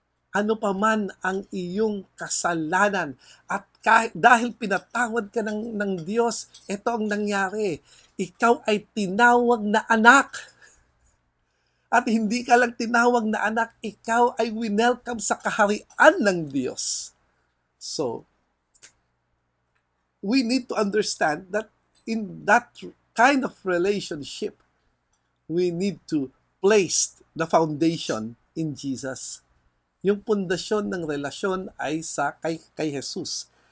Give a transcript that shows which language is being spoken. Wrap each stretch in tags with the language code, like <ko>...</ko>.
<tl>Ano pa man ang iyong kasalanan. At dahil pinatawad ka ng Diyos, ito ang nangyari. Ikaw ay tinawag na anak. At hindi ka lang tinawag na anak, ikaw ay winelcome sa kaharian ng Diyos.</tl> <en>So, we need to understand that in that kind of relationship, we need to place the foundation in Jesus.</en> <tl>Yung pundasyon ng relasyon ay sa kay Jesus.</tl>